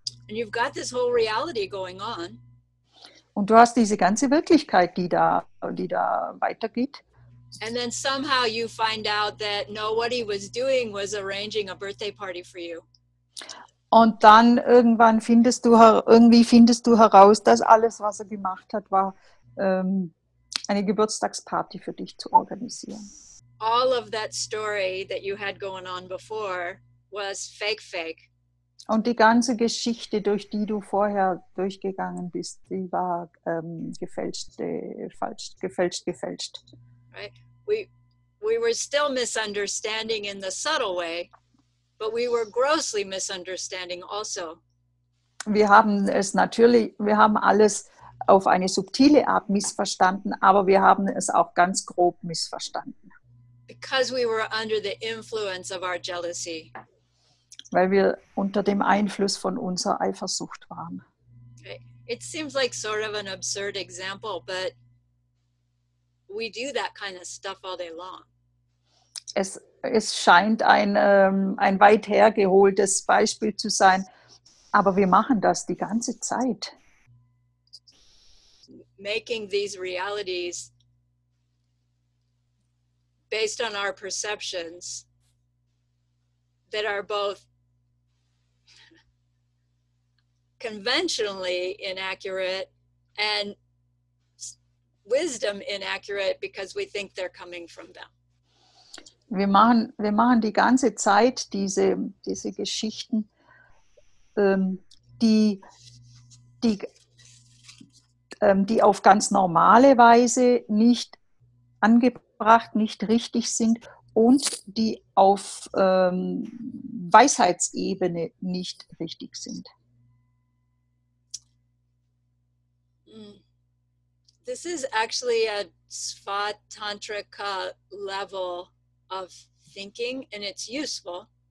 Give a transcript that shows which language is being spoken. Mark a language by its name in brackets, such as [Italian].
[English] And you've got this whole reality going on. [German] Und du hast diese ganze Wirklichkeit, die da weitergeht. [English] And then somehow you find out that no, what he was doing was arranging a birthday party for you. [German] Und dann irgendwann findest du heraus, dass alles, was er gemacht hat, war eine Geburtstagsparty für dich zu organisieren. [English] All of that story that you had going on before was fake. [German] Und die ganze Geschichte, durch die du vorher durchgegangen bist, die war gefälscht. [English] Right. We were still misunderstanding in the subtle way, but we were grossly misunderstanding also. [German] Wir haben alles auf eine subtile Art missverstanden, aber wir haben es auch ganz grob missverstanden. [English] Because we were under the influence of our jealousy. [German] Weil wir unter dem Einfluss von unserer Eifersucht waren. [English] It seems like sort of an absurd example, but we do that kind of stuff all day long. [German] Es scheint ein weit hergeholtes Beispiel zu sein, aber wir machen das die ganze Zeit. [English] Making these realities based on our perceptions that are both conventionally inaccurate and wisdom inaccurate because we think they're coming from them. [German] Wir machen die ganze Zeit diese Geschichten, die auf ganz normale Weise nicht angebracht, nicht richtig sind und die auf Weisheitsebene nicht richtig sind. [English] This is actually a Svatantrika level of thinking, and it's useful.